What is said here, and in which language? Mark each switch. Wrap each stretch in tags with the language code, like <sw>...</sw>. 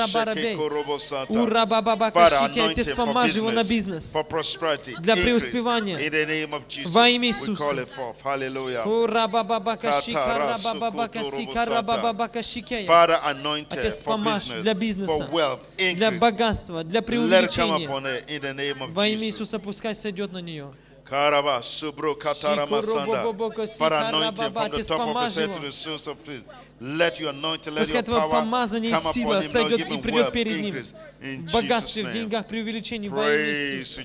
<ru>Отец, помажи его на бизнес, для преуспевания во имя Иисуса. Отец, помажи для бизнеса, для богатства, для преувеличения во имя Иисуса, пускай сойдет на нее. Karaba subro kataramasanda.</ru> <en>Father, anoint him from the top of his head to the soles of his feet. Let your anointing, let your power</en> <ru>помазание,</ru> <en>come upon</en> <ru>сила,</ru> <en>him. Now give him wealth, increase in Jesus' name.</en> <ru>Богатство в деньгах, преувеличение во имя Иисуса.</ru>